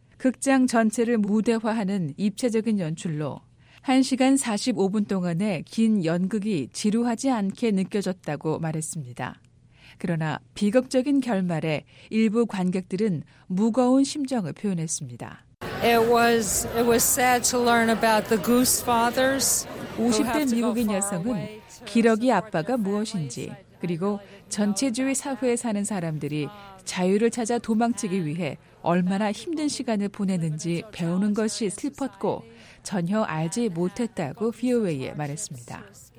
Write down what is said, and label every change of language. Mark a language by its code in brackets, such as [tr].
[ko] 극장 전체를 무대화하는 입체적인 연출로 1시간 45분 동안의 긴 연극이 지루하지 않게 느껴졌다고 말했습니다. 그러나 비극적인 결말에 일부 관객들은 무거운 심정을 표현했습니다. [en] It was sad to learn about the Goose Fathers. [ko] 50대 미국인 여성은 기러기 아빠가 무엇인지 그리고 전체주의 사회에 사는 사람들이 자유를 찾아 도망치기 위해 얼마나 힘든 시간을 보내는지 배우는 것이 슬펐고 전혀 알지 못했다고 VOA에 말했습니다.